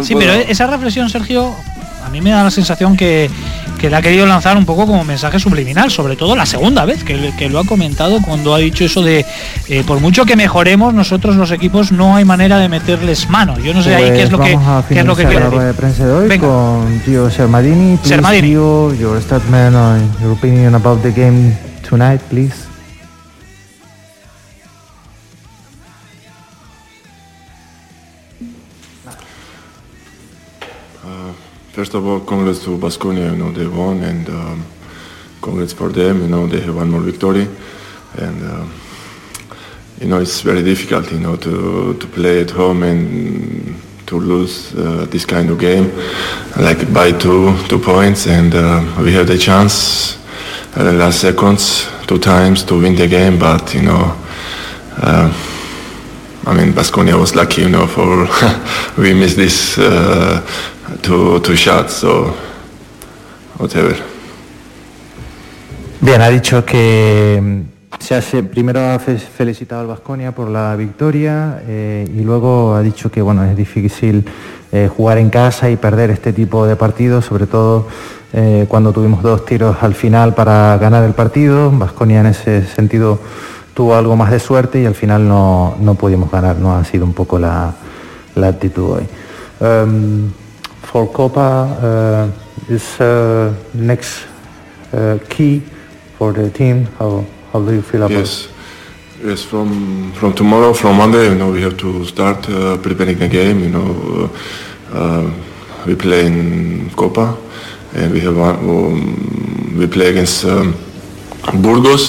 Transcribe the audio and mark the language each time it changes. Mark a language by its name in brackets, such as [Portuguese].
[Spanish] Pero esa reflexión, Sergio, a mí me da la sensación que le ha querido lanzar un poco como mensaje subliminal, sobre todo la segunda vez que lo ha comentado, cuando ha dicho eso de por mucho que mejoremos nosotros los equipos, no hay manera de meterles mano. Yo no sé, pues ahí qué es lo que quiere decir. Vamos a la prensa de hoy. Venga. Con tío Sermadini. Sermadini. [English] Tío, your stat man on your opinion about the game tonight, please. First of all, congrats to Baskonia, you know, they won, and congrats for them, you know, they have one more victory, and, you know, it's very difficult, you know, to play at home and to lose this kind of game, like by two points, and we had a chance at the last seconds, two times, to win the game, but, you know, I mean, Baskonia was lucky, you know, for we missed this two shots, so whatever. [Spanish] Bien, ha dicho que primero ha felicitado al Baskonia por la victoria y luego ha dicho que, bueno, es difícil jugar en casa y perder este tipo de partidos, sobre todo cuando tuvimos dos tiros al final para ganar el partido. Baskonia en ese sentido tuvo algo más de suerte y al final no pudimos ganar, ¿no? Ha sido un poco la actitud hoy. [English] For Copa, is next key for the team. How do you feel about it? Yes, from tomorrow, from Monday, you know, we have to start preparing the game. You know, we play in Copa, and we have we play against Burgos.